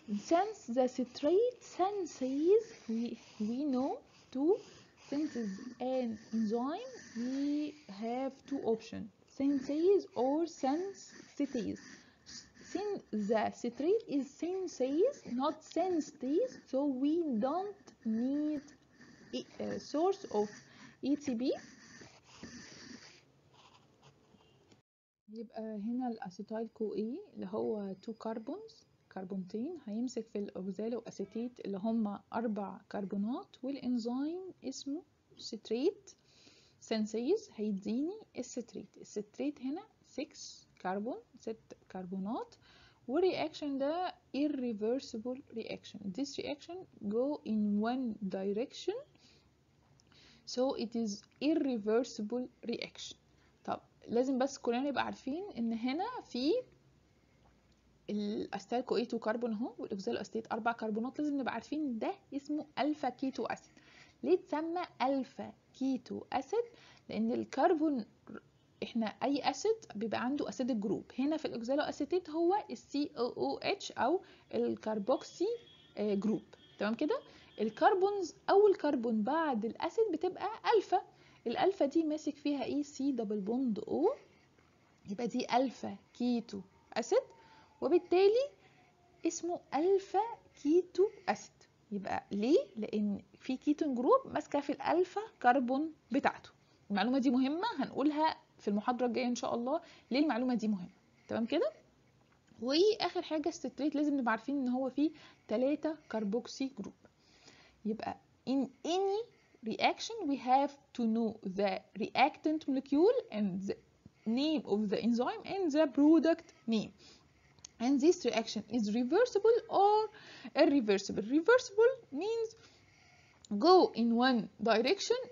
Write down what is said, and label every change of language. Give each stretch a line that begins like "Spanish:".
English: Since the citrate synthase, we know to synthesize an enzyme, we have two options: synthase or sensitase. Since the citrate is synthase, not sensitase, so we don't need a source of ATP.
Arabic: يبقى هنا الأسيتيل كو اي اللي هو 2 كربونز كربونتين هيمسك في الأوكسالو أسيتيت اللي هما 4 كربونات والإنزيم اسمه سيتريت سينسيز هيديني السيتريت. السيتريت هنا 6 كربون 6 كربونات والرياكشن ده
English: irreversible reaction. This reaction go in one direction so it is irreversible reaction.
Arabic: لازم بس كلنا نبقى عارفين ان هنا في الاستيل كو اي 2 كربون اهو والاكسيل اسيت 4 كربونات. لازم نبقى عارفين ده اسمه الفا كيتو اسيد. ليه اتسمى الفا كيتو اسيد؟ لان الكربون احنا اي اسيد بيبقى عنده اسيد جروب. هنا في الاكسيل اسيتات هو السي او او اتش او الكربوكسي جروب. تمام كده. الكربونز اول كربون بعد الاسيد بتبقى الفا. الالفا دي ماسك فيها اي سي دبل بوند او يبقى دي الفا كيتو اسيد وبالتالي اسمه الفا كيتو اسيد. يبقى ليه؟ لان في كيتون جروب ماسكه في الالفا كربون بتاعته. المعلومه دي مهمه هنقولها في المحاضره الجايه ان شاء الله ليه المعلومه دي مهمه. تمام كده. واخر حاجه الستريت لازم نبقى عارفين ان هو فيه 3 كربوكسي جروب.
English: يبقى in any reaction we have to know the reactant molecule and the name of the enzyme and the product name. And this reaction is reversible or irreversible. Reversible means go in one direction.